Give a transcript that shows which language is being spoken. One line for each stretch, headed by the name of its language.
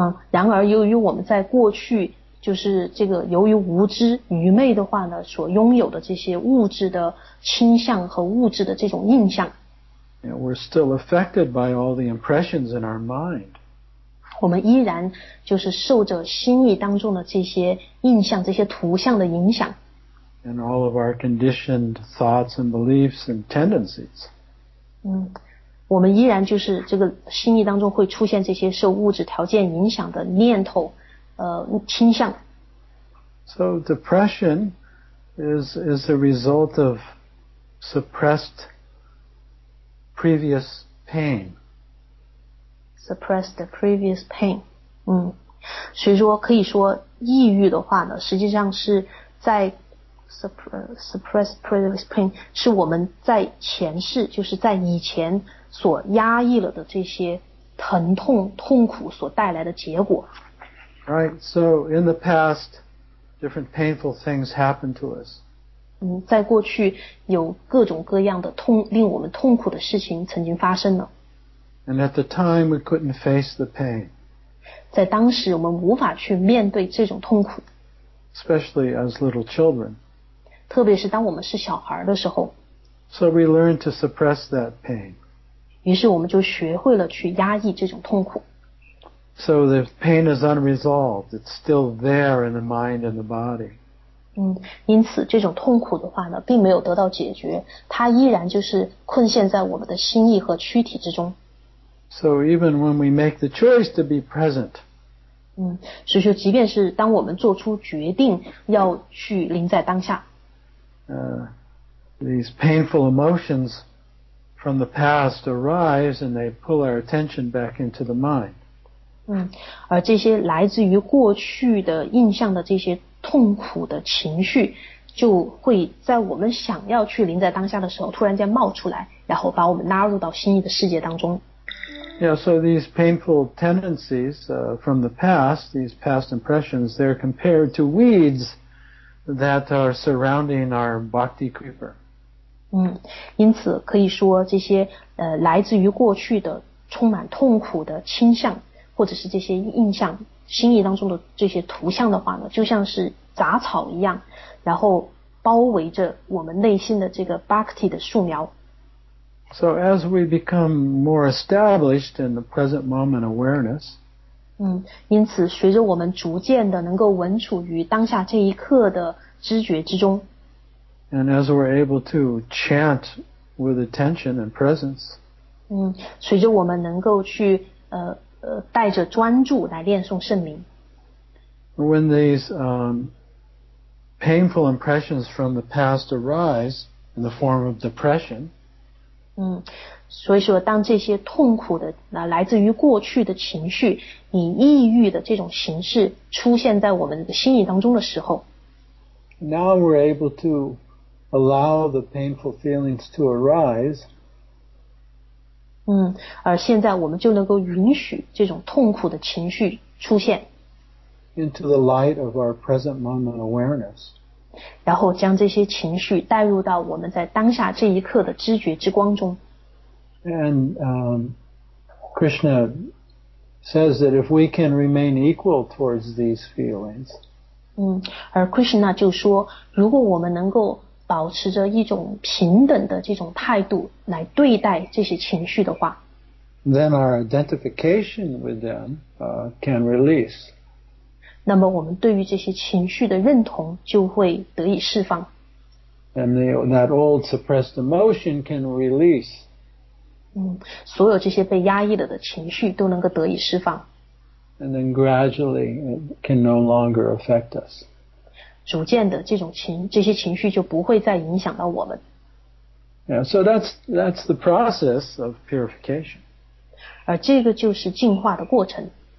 Chinese: 然而由于我们在过去就是这个由于无知愚昧的话呢，所拥有的这些物质的倾向和物质的这种印象，
English: yeah, we're still affected by all the impressions in our mind.
Chinese: 我们依然就是受着心意当中的这些印象，这些图像的影响。
English: And all of our conditioned thoughts and beliefs and tendencies.
Chinese: 我们依然就是这个心意当中会出现这些受物质条件影响的念头，倾向。
English: So depression is a result of suppressed previous pain. Suppressed previous pain.
Chinese: 所以说可以说抑郁的话呢，实际上是在
English: suppressed previous pain
Chinese: 是我们在前世，就是在以前所压抑了的这些疼痛痛苦所带来的结果。
English: Right, so in the past different painful things happened to us.
Chinese: 在过去有各种各样的痛令我们痛苦的事情曾经发生了。
English: And at the time we couldn't face the pain.
Chinese: 在当时我们无法去面对这种痛苦。
English: Especially as little children.
Chinese: 特别是当我们是小孩的时候。
English: So we learn to suppress that pain.
Chinese: 于是我们就学会了去压抑这种痛苦。
English: So the pain is unresolved. It's still there in the mind and the body.
Chinese: 因此这种痛苦的话呢并没有得到解决。它依然就是困陷在我们的心意和躯体之中。
English: So even when we make the choice to be present,
Chinese: 所以说即便是当我们做出决定要去临在当下。
English: These painful emotions from the past arise and they pull our attention back into the mind.
Chinese: 而这些来自于过去的印象的这些痛苦的情绪就会在我们想要去临在当下的时候突然间冒出来，然后把我们拉入到心意的世界当中。
English: Yeah, so these painful tendencies from the past, these past impressions, they're compared to weeds. That are surrounding our bhakti creeper.
Chinese: 因此可以说这些来自于过去的充满痛苦的倾向，或者是这些印象、心意当中的这些图像的话呢，就像是杂草一样，然后包围着我们内心的这个 bhakti 的树苗。
English: So as we become more established in the present moment awareness.
Chinese: 因此随着我们逐渐的能够稳处于当下这一刻的知觉之中。
English: And as we're able to chant with attention and presence.
Chinese: 随着我们能够去带着专注来念诵圣名。
English: When these painful impressions from the past arise in the form of depression.
Chinese: 所以说当这些痛苦的来自于过去的情绪以抑郁的这种形式出现在我们的心意当中的时候。
English: Now we're able to allow the painful feelings to arise.
Chinese: 而现在我们就能够允许这种痛苦的情绪出现。
English: Into the light of our present moment awareness.
Chinese: 然后将这些情绪带入到我们在当下这一刻的知觉之光中。
English: And Krishna says that if we can remain equal towards these feelings,
Chinese: 而 Krishna 就说，如果我们能够保持着一种平等的这种态度来对待这些情绪的话，
English: then our identification with them can release.
Chinese: 那么我们对于这些情绪的认同就会得以释放。
English: And that old suppressed emotion can release.
Chinese: 所有这些被压抑了的情绪都能够得以释放。
English: And then gradually it can no longer affect us.
Chinese: 逐渐的这些情绪就不会再影响到我们。
English: Yeah, so that's the process of purification.
Chinese: 而这个就是净化的过程。